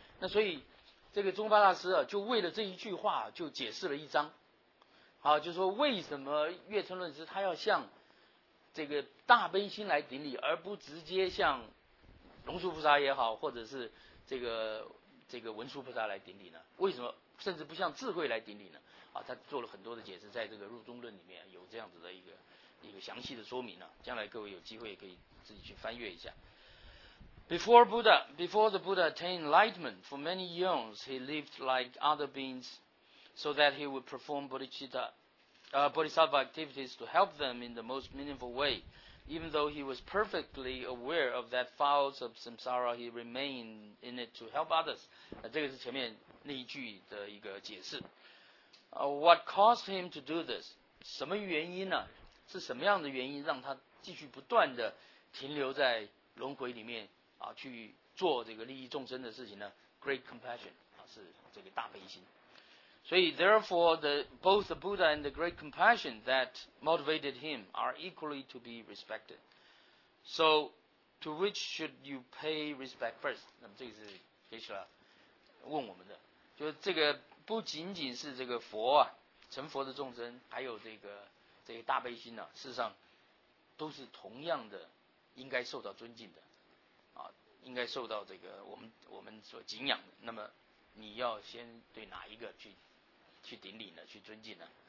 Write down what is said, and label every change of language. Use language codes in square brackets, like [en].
[zh] 那所以这个中巴大师就为了这一句话就解释了一章，好，就是说为什么月村论师他要向这个大悲心来顶礼，而不直接向龙树菩萨也好，或者是这个文殊菩萨来顶礼呢？为什么？甚至不像智慧来顶礼呢？啊，他做了很多的解释，在这个入中论里面有这样子的一个详细的说明呢、啊。将来各位有机会可以自己去翻阅一下。 [en] Before the Buddha attained enlightenment, for many eons he lived like other beings, so that he would perform bodhisattva activities to help them in the most meaningful way. Even though he was perfectly aware of that fall of samsara, he remained in it to help others. [zh] 这个是前面那一句的一个解释。 [en] What caused him to do this? [zh] 什么原因呢、啊？是什么样的原因让他继续不断的停留在轮回里面？啊，去做这个利益众生的事情呢 ？ [en] Great compassion [zh] 啊，是这个大悲心。 [en] 所以 ，therefore the both the Buddha and the great compassion that motivated him are equally to be respected. So, to which should you pay respect first？ [zh] 那么这个是 Krishna 问我们的，就是这个不仅仅是这个佛啊，成佛的众生，还有这个大悲心呢、啊，事实上都是同样的应该受到尊敬的。应该受到这个我们所敬仰的，那么你要先对哪一个去顶礼呢？去尊敬呢？